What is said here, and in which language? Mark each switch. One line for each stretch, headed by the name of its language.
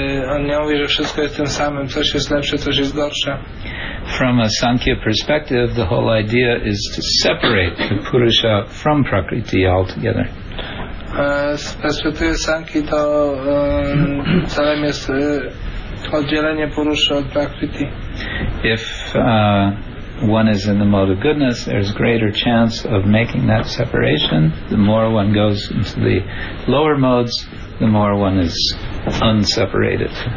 Polish: On nie mówi, że wszystko jest tym samym. Coś jest lepsze, coś jest gorsze.
English: From a Sankhya perspective, the whole idea is to separate the Purusha from Prakriti altogether.
Polish: Z perspektywy Sankhi to celem jest oddzielenie Purusha od Prakriti.
English: If one is in the mode of goodness, there's greater chance of making that separation. The more one goes into the lower modes, the more one is unseparated.